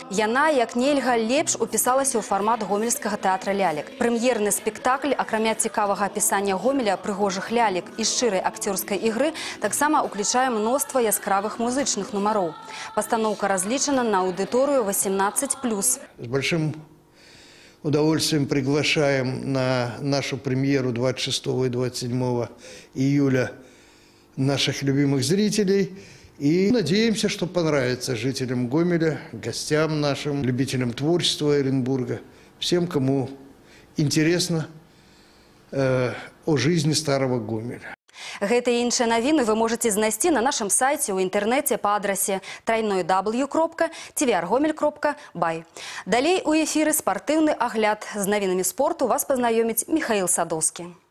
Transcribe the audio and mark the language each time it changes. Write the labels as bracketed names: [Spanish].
[Belarusian] Яна, як нельга, лепш упісалася ў фармат гомельскага тэатра «Лялек». Прэм'ерны спектакль, акрамя цікавага апісання Гомеля, прыгожых лялек і шчырай акцёрскай ігры таксама ўключае мноства яскравых музычных нумароў. Пастаноўка разлічана на аўдыторыю 18+. [Russian] З большим удовольствием приглашаем на нашу премьеру 26 и 27 июля наших любимых зрителей. И надеемся, что понравится жителям Гомеля, гостям нашим, любителям творчества Оренбурга, всем, кому интересно о жизни старого Гомеля. [Belarusian] Гэты і іншыя навіны вы можаце знайсці на нашым сайце ў інтэрнэце па адрасе www.tvrgomel.by. Далей у эфіры спартыўны агляд. З навінамі спорту вас пазнаёміць Міхаіл Садоўскі.